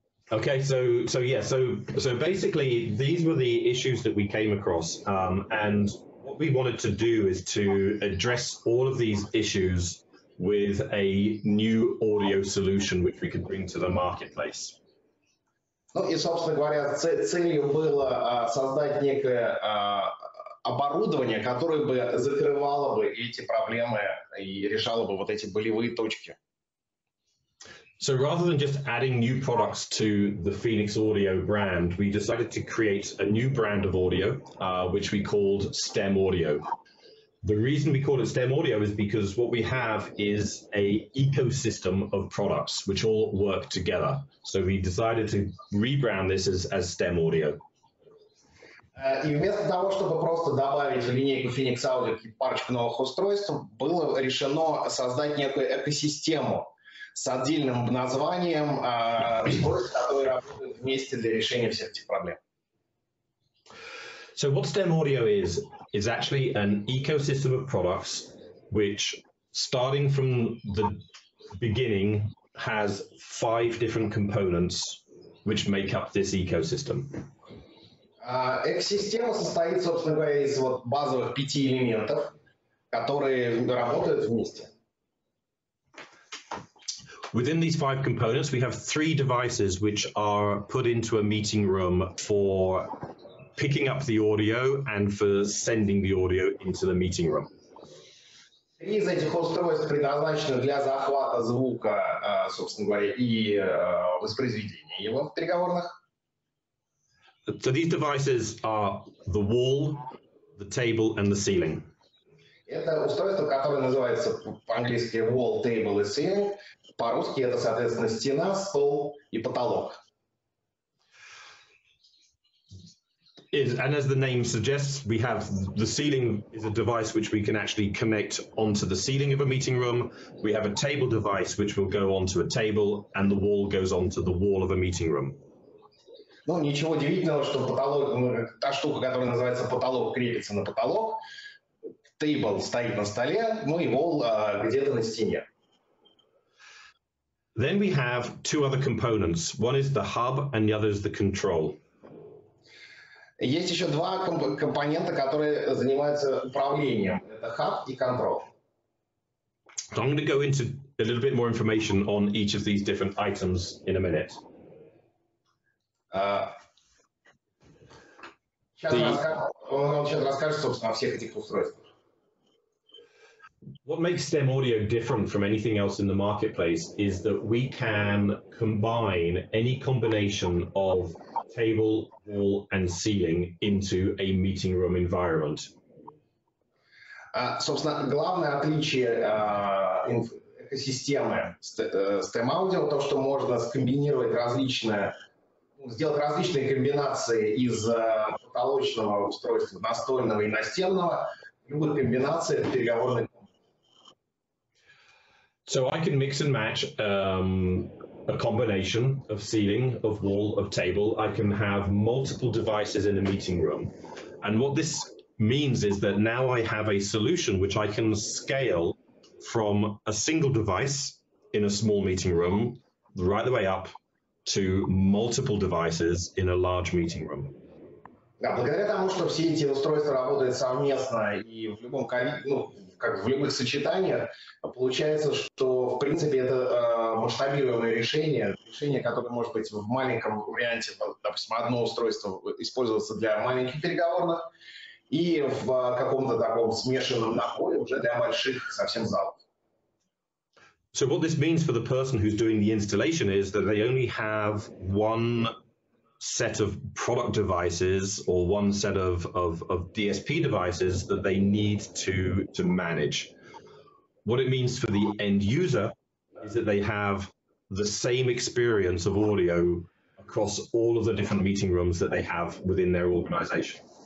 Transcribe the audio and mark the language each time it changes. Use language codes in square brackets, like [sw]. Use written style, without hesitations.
[en] Okay, so basically these were the issues that we came across, and what we wanted to do is to address all of these issues with a new audio solution which we could bring to the marketplace. [ru] Ну и, собственно говоря, целью было создать некое оборудование, которое бы закрывало бы эти проблемы и решало бы вот эти болевые точки. [en] So rather than just adding new products to the Phoenix Audio brand, we decided to create a new brand of audio, which we called StemAudio. The reason we call it StemAudio is because what we have is an ecosystem of products which all work together. So we decided to rebrand this as StemAudio. [ru] И вместо того, чтобы просто добавить в линейку Phoenix Audio парочку новых устройств, было решено создать некую экосистему с отдельным названием, которые работают вместе для решения всех этих проблем. [en] So what StemAudio is actually an ecosystem of products which, starting from the beginning, has five different components which make up this ecosystem. [ru] Экосистема состоит, собственно говоря, из вот базовых пяти элементов, которые работают вместе. [en] Within these five components, we have three devices which are put into a meeting room for picking up the audio and for sending the audio into the meeting room. [ru] Три из этих устройств предназначены для захвата звука, собственно говоря, и воспроизведения его в переговорных. [en] So these devices are the wall, the table, and the ceiling. [ru] Это устройство, которое называется по-английски wall, table и ceiling. По-русски это, соответственно, стена, стол и потолок. [en] And as the name suggests, we have the ceiling is a device which we can actually connect onto the ceiling of a meeting room. We have a table device which will go onto a table, and the wall goes onto the wall of a meeting room. [ru] Ну, ничего удивительного, что потолок, та штука, которая называется потолок, крепится на потолок. Table стоит на столе, ну и wall где-то на стене. [en] Then we have two other components. One is the hub, and the other is the control. [ru] Есть еще два компонента, которые занимаются управлением. Это hub и control. [en] So I'm going to go into a little bit more information on each of these different items in a minute. [ru] Сейчас расскажет, собственно, о всех этих устройствах. [en] What makes StemAudio different from anything else in the marketplace is that we can combine any combination of table, wall, and ceiling into a meeting room environment. [ru] Собственно, главное отличие экосистемы StemAudio то, что можно скомбинировать сделать различные комбинации из потолочного устройства, настольного и настенного, любых комбинаций переговорных. [en] So I can mix and match a combination of ceiling, of wall, of table. I can have multiple devices in a meeting room. And what this means is that now I have a solution which I can scale from a single device in a small meeting room right the way up to multiple devices in a large meeting room. [ru] Да, благодаря тому, что все эти устройства работают совместно и в любом, ну, как в любых сочетаниях, получается, что в принципе это масштабируемое решение, решение, которое может быть в маленьком варианте, допустим, одно устройство использоваться для маленьких переговорных и в каком-то таком смешанном наборе уже для больших совсем залов. [en] So what this means for the person who's doing the installation is that they only have one set of product devices or one set of DSP devices that they need to manage. What it means for the end user is that they have the same experience of audio across all of the different meeting rooms that they have within their organization.